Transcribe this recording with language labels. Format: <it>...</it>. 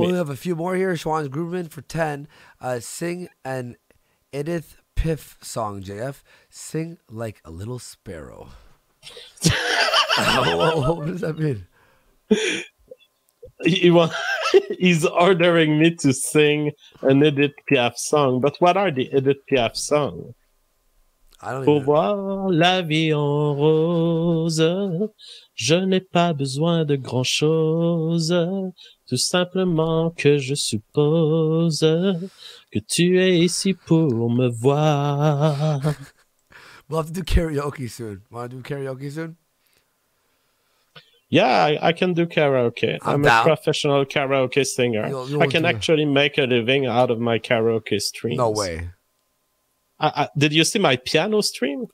<en>We only have a few more here. Schwan's Grooveman for 10. Sing an Edith Piaf song, JF. Sing like a little sparrow. what does that mean? He's ordering me to sing an Edith Piaf song. But what are the Edith Piaf songs?</en> <fr>Pour voir la vie en rose, je n'ai pas besoin de grand chose, tout simplement que je suppose que tu es ici pour me voir.</fr> <en>We'll have to do karaoke soon. Want to do karaoke soon? Yeah, I can do karaoke. I'm a professional karaoke singer. I can actually make a living out of my karaoke streams. No way. Did you see my piano stream?</en>